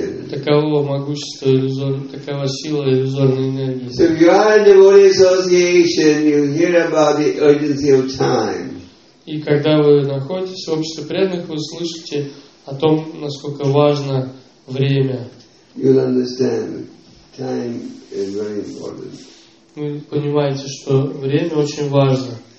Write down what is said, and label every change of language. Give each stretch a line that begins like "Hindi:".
Russian: Таково могущество иллюзорной, такова сила иллюзорной энергии.
English: So if you are in devotee association, you hear about the urgency of time.
Russian: И когда вы находитесь в обществе преданных, вы слышите о том, насколько важно время.
English: You'll understand time is very important.
Russian: Вы понимаете, что время очень важно.